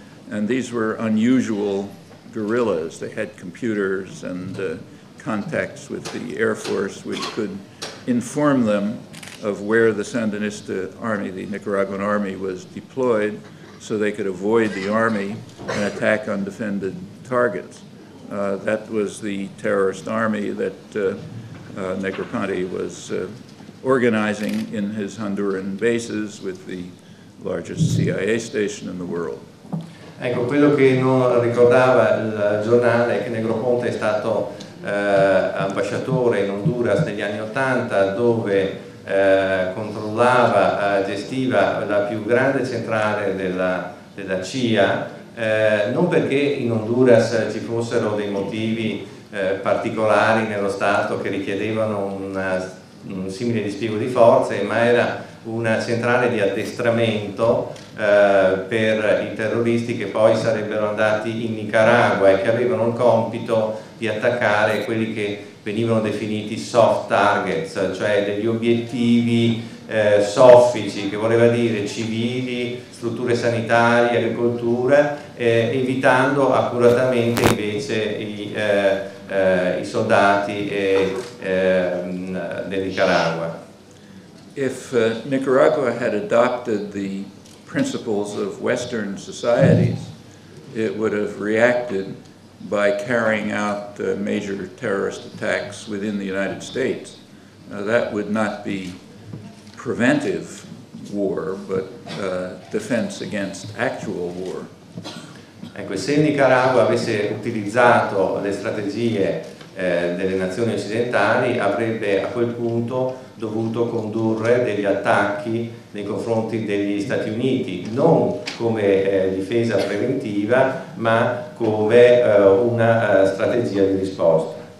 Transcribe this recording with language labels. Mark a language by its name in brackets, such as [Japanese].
[English] And these were unusual guerrillas. They had computers and contacts with the Air Force, which could inform them of where the Sandinista army, the Nicaraguan army, was deployed, so they could avoid the army and attack undefended targets. That was the terrorist army that Negroponte was organizing in his Honduran bases with the largest CIA station in the world. [Italian] Ecco, quello che non ricordava il giornale è che Negroponte è stato ambasciatore in Honduras negli anni Ottanta, dove controllava, gestiva la più grande centrale della CIA, non perché in Honduras ci fossero dei motivi particolari nello Stato che richiedevano un simile dispiego di forze, ma era una centrale di addestramento per i terroristi che poi sarebbero andati in Nicaragua e che avevano il compito di attaccare quelli che venivano definiti soft targets, cioè degli obiettivi soffici, che voleva dire civili, strutture sanitarie, agricoltura, evitando accuratamente invece i soldati del Nicaragua. [English] If Nicaragua had adopted the principles of Western societies, it would have reacted by carrying out major terrorist attacks within the United States. That would not be preventive war, but defense against actual war. [Italian] Ecco, se Nicaragua avesse utilizzato le strategie delle nazioni occidentali, avrebbe a quel punto dovuto condurre degli attacchi nei confronti degli Stati Uniti, non come difesa preventiva, ma come una strategia di risposta.